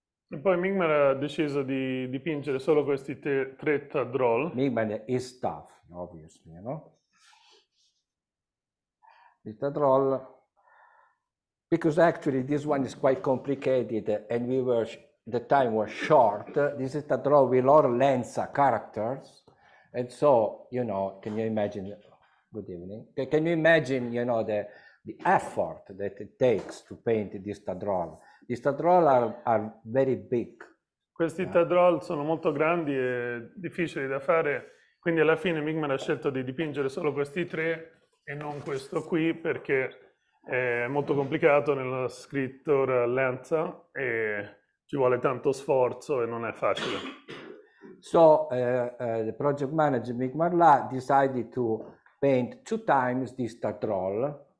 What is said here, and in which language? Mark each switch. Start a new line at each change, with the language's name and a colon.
Italian: E poi Mikmar ha deciso di dipingere solo questi 3 tadrol.
English: Mikmar is tough, obviously, you know. The tadrol, because actually this one is quite complicated, and the time was short. This is tadrol with all Lensa characters. And so, you know, can you imagine, good evening, can you imagine, you know, the effort that it takes to paint this tadrol? These tadrol are very big.
Italian: Questi tadrol sono molto grandi e difficili da fare, quindi alla fine Mikmar ha scelto di dipingere solo questi 3 e non questo qui, perché è molto complicato nella scrittura lenta e ci vuole tanto sforzo e non è facile.
English: So the project manager Mikmar La decided to paint 2 times this tadrol.